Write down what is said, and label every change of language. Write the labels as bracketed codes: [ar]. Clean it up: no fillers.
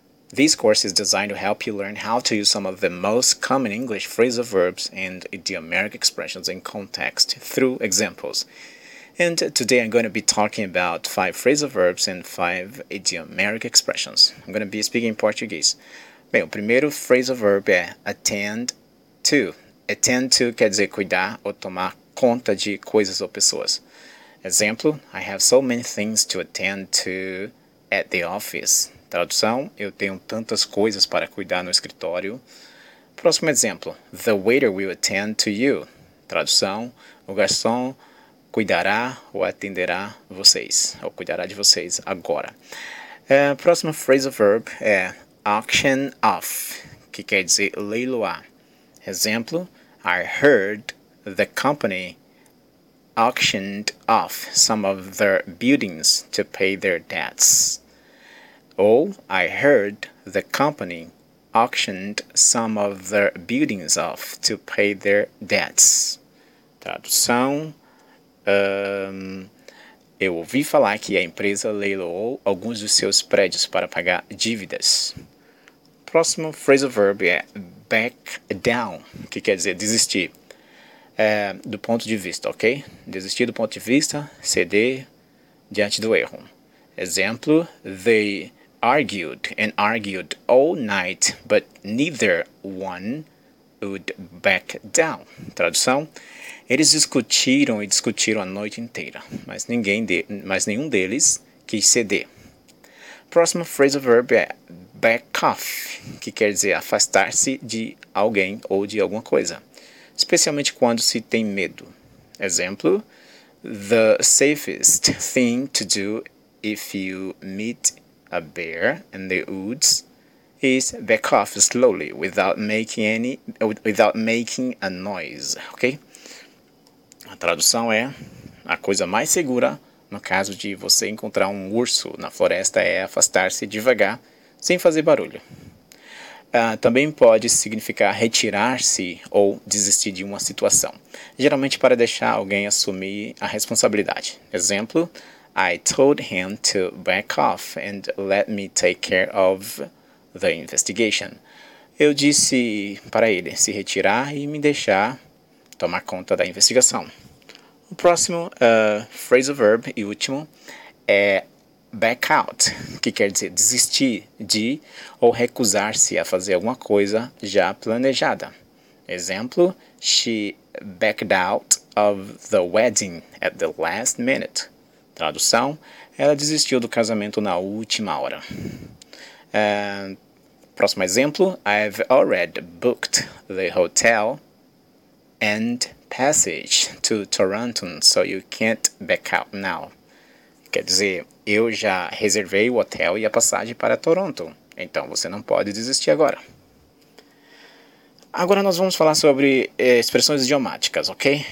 [en] This course is designed to help you learn how to use some of the most common English phrasal verbs and idiomatic expressions in context through examples. And today I'm going to be talking about 5 phrasal verbs and 5 idiomatic expressions. I'm going to be speaking Portuguese. [pt] Bem, o primeiro phrasal verb é attend to. Attend to quer dizer cuidar ou tomar conta de coisas ou pessoas. [en] Exemplo, I have so many things to attend to at the office. [pt] Tradução, eu tenho tantas coisas para cuidar no escritório. Próximo exemplo, [en] the waiter will attend to you. [pt] Tradução, o garçom cuidará ou atenderá vocês, ou cuidará de vocês agora. Próximo phrasal verb é auction off, que quer dizer leiloar. [en] Exemplo, I heard the company auctioned off some of their buildings to pay their debts. Ou, I heard the company auctioned some of their buildings off to pay their debts. [pt] Tradução, eu ouvi falar que a empresa leiloou alguns dos seus prédios para pagar dívidas. Próximo phrasal verb é back down, que quer dizer desistir, do ponto de vista, ok? Desistir do ponto de vista, ceder diante do erro. [en] Exemplo, they argued and argued all night, but neither one would back down. [pt] Tradução, eles discutiram e discutiram a noite inteira, mas nenhum deles quis ceder. Próximo phrasal verb é back off, que quer dizer afastar-se de alguém ou de alguma coisa, especialmente quando se tem medo. [en] Exemplo, the safest thing to do if you meet a bear in the woods is back off slowly without making a noise, ok? [pt] A tradução é a coisa mais segura no caso de você encontrar um urso na floresta é afastar-se devagar, sem fazer barulho. Também pode significar retirar-se ou desistir de uma situação, geralmente para deixar alguém assumir a responsabilidade. [en] Exemplo, I told him to back off and let me take care of the investigation. [pt] Eu disse para ele se retirar e me deixar tomar conta da investigação. O próximo phrasal verb e último é back out, que quer dizer desistir de ou recusar-se a fazer alguma coisa já planejada. [en] Exemplo, she backed out of the wedding at the last minute. [pt] Tradução, ela desistiu do casamento na última hora. Próximo exemplo, [en] I've already booked the hotel and passage to Toronto, so you can't back out now. [pt] Quer dizer, eu já reservei o hotel e a passagem para Toronto, então você não pode desistir agora. Agora nós vamos falar sobre expressões idiomáticas, ok?